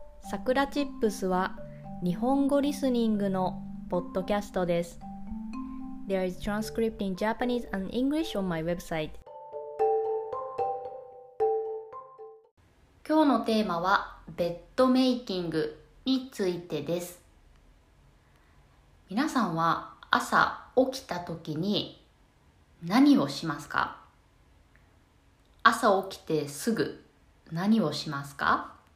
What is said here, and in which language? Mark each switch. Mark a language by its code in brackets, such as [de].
[ja] さくらチップスは日本語リスニングのポッドキャストです。 [en] There is transcript in Japanese and English on my website。 [ja] 今日のテーマはベッドメイキングについてです。皆さんは朝起きた時に何をしますか？朝起きてすぐ何をしますか？